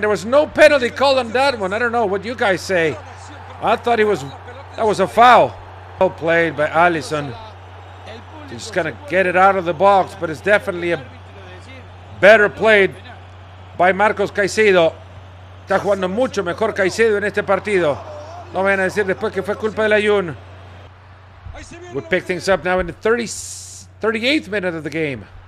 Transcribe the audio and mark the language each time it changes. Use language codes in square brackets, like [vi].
[en] There was no penalty call on that one. I don't know what you guys say. I thought he was... That was a foul. Well played by Alisson. He's going to get it out of the box. But it's definitely a better played by Marcos Caicedo. [es] Está jugando mucho mejor Caicedo en este partido. No me van a decir después que fue culpa de Layún. [en] We pick things up now in the 38th minute of the game.